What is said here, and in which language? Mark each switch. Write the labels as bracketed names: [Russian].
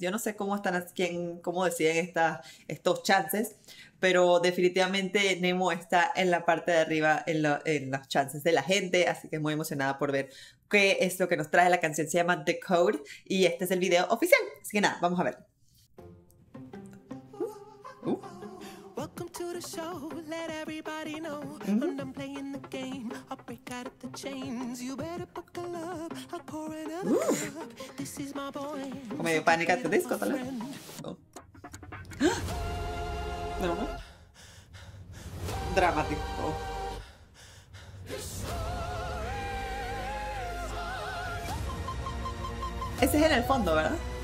[Spanish] Yo no sé cómo están, cómo deciden estos chances, pero definitivamente Nemo está en la parte de arriba en los chances de la gente, así que muy emocionada por ver qué es lo que nos trae la canción. Se llama The Code y este es el video oficial. Así que nada, vamos a ver. [English] Welcome to the show, let everybody know. I'm done playing the game, I'll break out of the chains. You better buckle up, I'll pour it up. This is my boy. [Spanish] Como medio pánico este disco, tal vez. No. Dramático. Ese es en el fondo, ¿verdad?